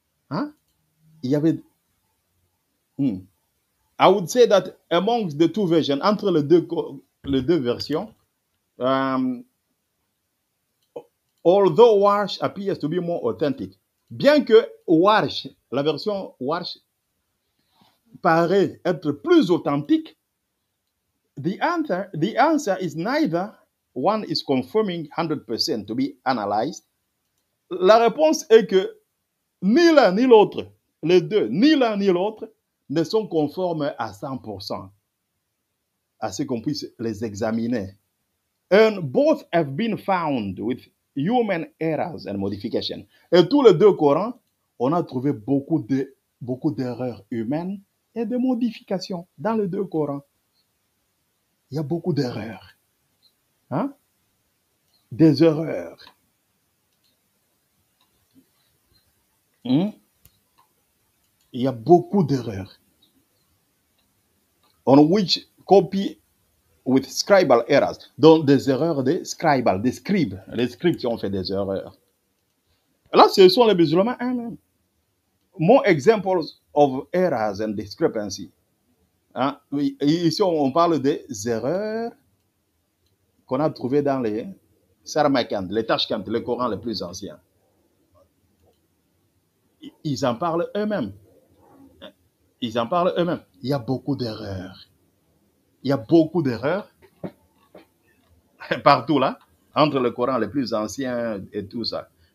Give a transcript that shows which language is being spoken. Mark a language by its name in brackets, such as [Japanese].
[French] Hein? Il y avait... [English] I would say that amongst the two versions, [French] entre les deux versions, [English] although Warsh appears to be more authentic, [French] bien que Warsh, la version Warsh, paraît être plus authentique, [English] the answer is neither one is confirming 100% to be analyzed. [French] La réponse est que ni l'un ni l'autre, les deux, ni l'un ni l'autre, ne sont conformes à 100% à ce qu'on puisse les examiner. [English] And both have been found with human errors and modifications. [French] Et tous les deux Corans, on a trouvé beaucoup d'erreurs humaines et de modifications dans les deux Corans. Il y a beaucoup d'erreurs. Hein? Des erreurs. Il y a beaucoup d'erreurs. [English] On which copy with scribal errors. [French] Donc, des erreurs des scribal, des scribes. Les scribes qui ont fait des erreurs. Là, ce sont les musulmans. Hein? [English] More examples of errors and discrepancies. [French] Hein? Ici, on parle des erreurs qu'on a trouvées dans les Sarmakand, les Tashkand, le Coran le plus ancien. Ils en parlent eux-mêmes. Ils en parlent eux-mêmes. Il y a beaucoup d'erreurs. Il y a beaucoup d'erreurs partout là, entre le Coran le plus ancien et tout ça.